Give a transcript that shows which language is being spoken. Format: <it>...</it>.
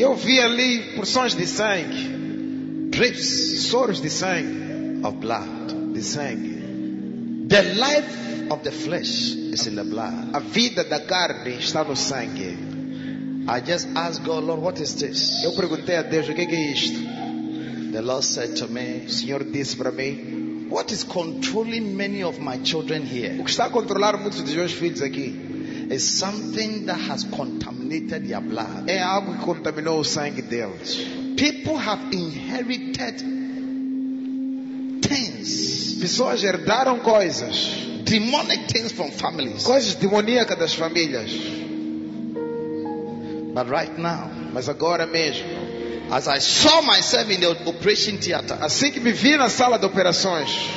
<pt>Eu vi ali porções de sangue.</pt> <en>Drips.</en> <pt>Soros de sangue.</pt> <en>Of blood.</en> <pt>De sangue.</pt> <en>The life of the flesh is in the blood.</en> <pt>A vida da carne está no sangue.</pt> <en>I just asked God, Lord, what is this?</en> <pt>Eu perguntei a Deus, o que é isto?</pt> <en>The Lord said to me,</en> <pt>o Senhor disse para mim,</pt> <en>what is controlling many of my children here?</en> <pt>O que está a controlar muitos dos meus filhos aqui?</pt> <en>Is something that has contaminated their blood.</en> <pt>É algo que contaminou o sangue deles.</pt> <en>People have inherited things.</en> <pt>Pessoas herdaram coisas.</pt> <en>Demonic things from families.</en> <pt>Coisas demoníacas das famílias.</pt> <en>But right now,</en> <pt>mas agora mesmo,</pt> <en>as I saw myself in the operation theater,</en> <pt>assim que me vi na sala de operações,</pt>